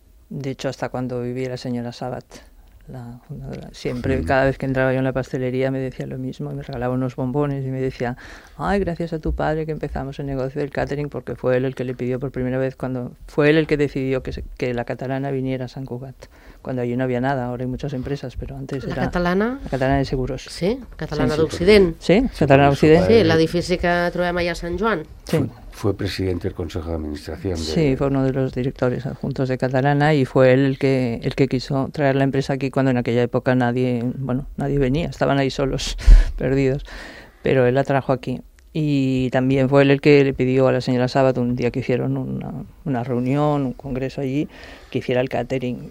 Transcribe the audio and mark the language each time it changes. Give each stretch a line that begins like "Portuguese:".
Spanish: De hecho, hasta cuando vivía la señora Sabat, siempre, cada vez que entraba yo en la pastelería me decía lo mismo, me regalaba unos bombones y me decía, ay, gracias a tu padre que empezamos el negocio del catering, porque fue él el que le pidió por primera vez, fue él el que decidió que la catalana viniera a San Cugat, cuando allí no había nada, ahora hay muchas empresas, pero antes la era... ¿La catalana de seguros? Sí, catalana d'Occident. Sí, catalana d'Occident.
Catalan: Sí, l'edifici que trobem allà a Sant Joan. Sí.
Spanish: Fue presidente del Consejo de Administración. Sí, fue uno de los directores adjuntos de Catalana y fue él el que quiso traer la empresa aquí cuando en aquella época nadie venía, estaban ahí solos, perdidos, pero él la trajo aquí. Y también fue él el que le pidió a la señora Sabat un día que hicieron una reunión, un congreso allí, que hiciera el catering.